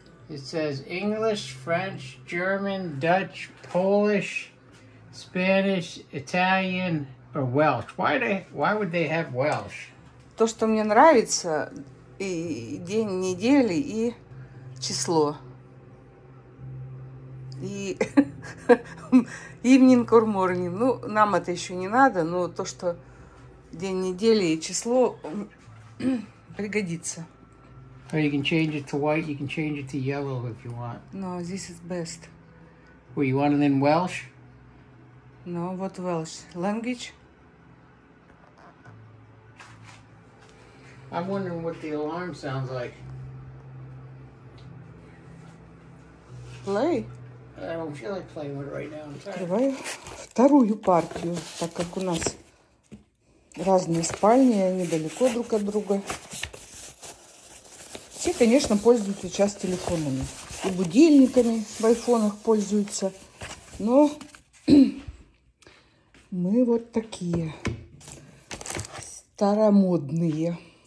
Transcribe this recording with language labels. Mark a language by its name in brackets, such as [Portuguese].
[English] It says English, French, German, Dutch, Polish, Spanish, Italian, or Welsh. Why would they have Welsh? [Russian] То, что мне нравится, и день недели, и число. [English] И evening or morning. [Russian] Ну, нам это еще не надо, но то, что день недели и число пригодится. [English] Or you can change it to white, you can change it to yellow if you want. No, this is best. What, you want it in Welsh? No, what Welsh? Language? I'm wondering what the alarm sounds like. Play? I don't feel like playing it right now. [Russian] Открываю вторую партию, так как у нас разные спальни, они далеко друг от друга. Все, конечно, пользуются сейчас телефонами. И будильниками в айфонах пользуются. Но мы вот такие старомодные.